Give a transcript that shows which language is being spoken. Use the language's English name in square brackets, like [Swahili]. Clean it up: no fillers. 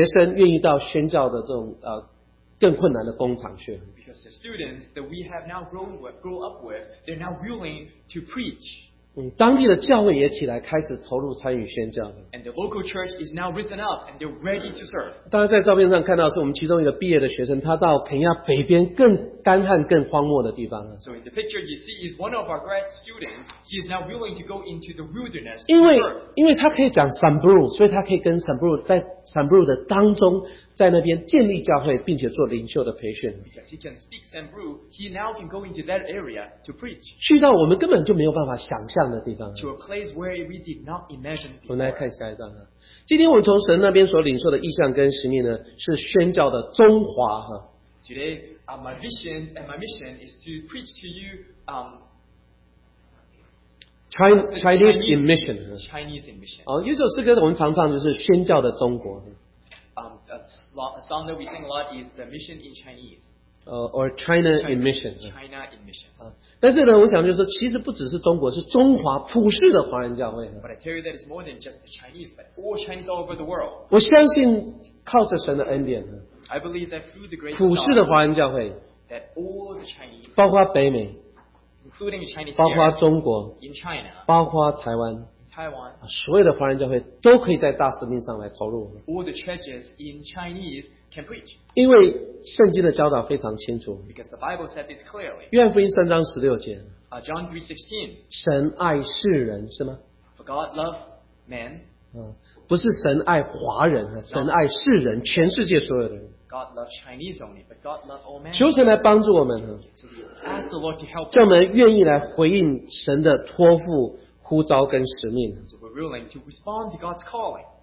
[Chinese] 因为我看到我们所栽培出来的学生愿意到宣教的这种, 更困难的工厂去。 [English] Because the students that we have now grown with, grow up with, they're now willing to preach. [Chinese] 当地的教会也起来开始投入参与宣教。 [English] And the local church is now risen up and they're ready to serve. [Chinese] 当然在照片上看到是我们其中一个毕业的学生, 他到肯亚北边更干旱更荒漠的地方。 [English] So in the picture you see is one of our grad students. He is now willing to go into the wilderness. [Chinese] 因为他可以讲Sambru, 所以他可以跟Sambru在Sambru的当中, 在那边建立教会, 并且做领袖的培训。 [English] Because he can speak Sambru, he now can go into that area to preach. [Chinese] 去到我们根本就没有办法想象的地方。 [English] To a place where we did not imagine before. [Chinese] 我们来看下一张。今天我们从神那边所领受的意向跟使命呢, 是宣教的中华。 [English] Today, my vision and my mission is to preach to you, Chinese in mission. Chinese in mission. [Chinese] 有一首诗歌我们常唱就是宣教的中国。 [English] A song that we sing a lot is The Mission in Chinese. Or China, China in Mission. China in Mission. [Chinese] 但是呢,我想就是说, 其实不只是中国, 是中华普世的华人教会。 [English] But I tell you that it's more than just the Chinese, but all Chinese all over the world. [Chinese] 我相信靠着神的恩典, [English] I believe that through the grace [Chinese] 普世的华人教会, [English] of God, that all the Chinese, [Chinese] 包括北美, [English] including Chinese, [Chinese] 包括中国, [English] in China, [Chinese] 包括台湾, [English] Taiwan, [Chinese] 所有的华人教会都可以在大使命上来投入。 [English] All the churches in Chinese can preach. [Chinese] 因为圣经的教导非常清楚。 [English] Because the Bible said this clearly. [Chinese] 约翰福音3章16节。 [English] John 3:16. [Chinese] 神爱世人是吗? [English] For God loved man. [Chinese] 不是神爱华人, 神爱世人, 全世界所有的人。 [English] God loved Chinese only, but God loved all men. [Chinese] 求神来帮助我们。 [English] So we ask the Lord to help us. [Chinese] 叫我们愿意来回应神的托付。 [English] So we're willing to respond to God's calling.